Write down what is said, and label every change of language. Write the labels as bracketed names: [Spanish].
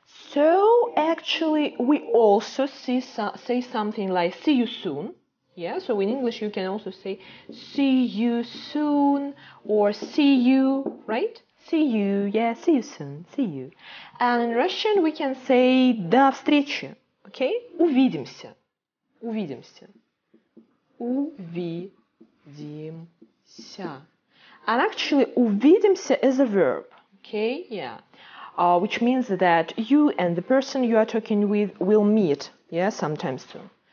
[English] So, actually, we also say something like, see you soon. Yeah, so in English you can also say, see you soon, or see you, right? See you, yeah, see you soon, see you. And in Russian we can say, [Russian] до встречи, [English] okay? [Russian] Увидимся, увидимся, увидимся. [English] And actually, увидимся is a verb, okay, yeah. Which means that you and the person you are talking with will meet, yeah, sometime soon.